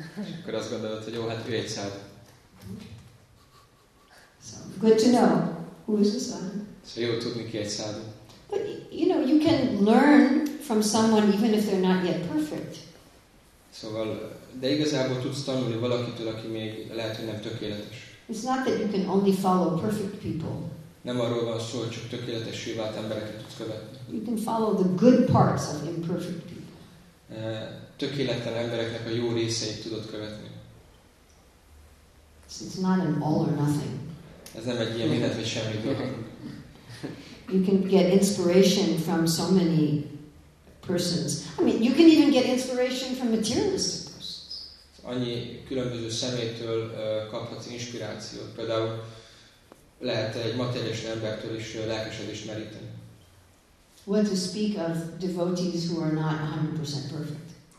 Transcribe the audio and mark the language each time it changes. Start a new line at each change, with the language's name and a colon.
Hungarian: És akkor azt gondolod, hogy jó, hát ő egy sadhu.
English: So, good to know who is a sadhu.
Hungarian: So, jó tudni, ki egy sadhu.
English: But, you know, you can learn from someone even if they're not yet perfect.
Hungarian: Szóval, de igazából tudsz tanulni valakitől, aki még lehet, hogy nem tökéletes.
English: It's not that you can only follow perfect people.
Hungarian: Nem arról van szó, hogy csak tökéletessé vált embereket tudsz követni.
English: You can follow the good parts of imperfect people.
Hungarian: Tökéletlen embereknek a jó részeit tudod követni.
English: So it's not an all or nothing.
Hungarian: Ez nem egy ilyen mindent vagy semmit dolog.
English: You can get inspiration from so many persons. I mean, you can even get inspiration from materialistic persons.
Hungarian: Annyi különböző szemétől kaphatsz inspirációt. Például lehet egy materialista embertől is lelkesedést meríteni.
English: What to speak of devotees who are not 100% perfect.